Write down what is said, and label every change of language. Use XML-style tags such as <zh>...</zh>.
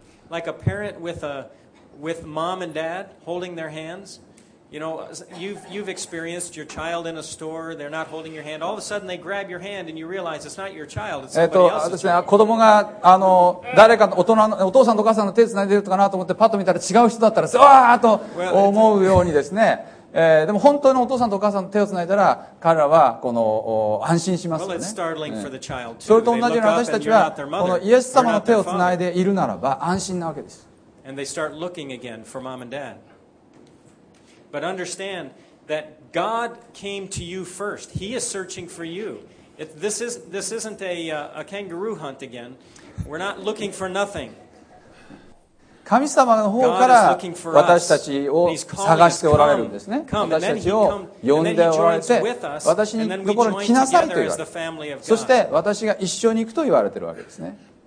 <en>Like a parent with mom and dad holding their hands. You know, you've experienced your child in a store, they're not holding your hand. All of a sudden they grab your hand and you realize it's not your child, it's somebody else's child.</en> <ja>子供が誰かの大人のお父さんとお母さんの手つないでるとかなと思ってパッと見たら違う人だったらうわーと思うようにですね、でも本当のお父さんとお母さんの手をつないだら彼らはこの安心しますよね。それと同じように私たちはこのイエス様の手をつないでいるならば安心なわけです。</ja> <en>And they start looking again for mom and dad. But understand that God came to you first. He is searching for you. This isn't a kangaroo hunt again. We're not looking for nothing.</en> <ja>神様の方から私たちを探しておられるんですね。私たちを呼んでおられて、私のところに来なさいと言われて、そして私が一緒に行くと言われているわけですね。</ja>